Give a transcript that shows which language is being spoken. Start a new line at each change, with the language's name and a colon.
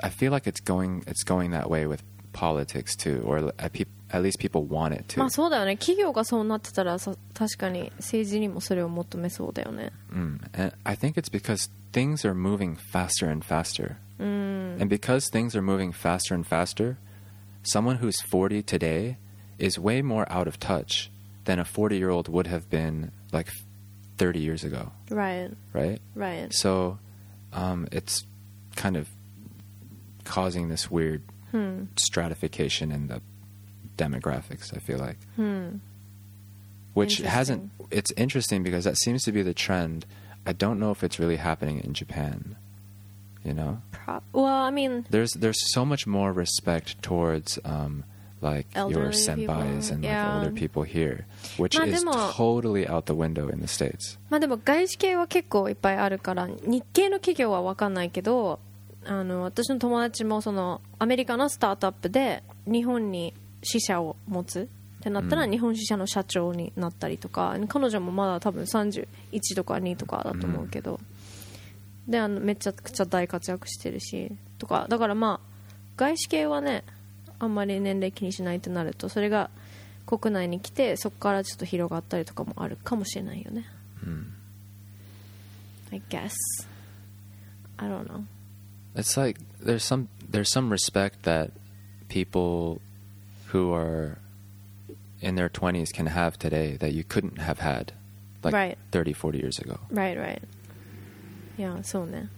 English: I feel like it's going that way with politics too, or at least people want it to.
Japanese: まあそうだよね。企業がそうなってたら確かに政治にもそれを求めそうだよね。
English: And I think it's because things are moving faster and faster. And because things are moving faster and faster, someone who's 40 today is way more out of touch than a 40-year-old would have been like 30 years ago. Right. So it's kind of causing this weird stratification in the demographics, I feel like. Which hasn't... It's interesting because that seems to be the trend. I don't know if it's really happening in Japan. You know? There's so much more respect towards like elderly your senpais people. And like yeah. older people here, which is totally out the window in the States.
Japanese: まあでも外資系は結構いっぱいあるから、日系の企業は分かんないけど、あの私の友達もそのアメリカのスタートアップで日本に支社を持つってなったら日本支社の社長になったりとか、彼女もまだ多分31とか2とかだと思うけど、で、あのめちゃくちゃ大活躍してるしとか、だからまあ外資系はね、あんまり年齢気にしないとなると、それが国内に来てそこからちょっと広がったりとかもあるかもしれないよね。
English: I guess I don't know. It's like there's some respect that people who are in their 20s can have today that you couldn't have had like 30, 40 years ago. Right. Yeah, so ne.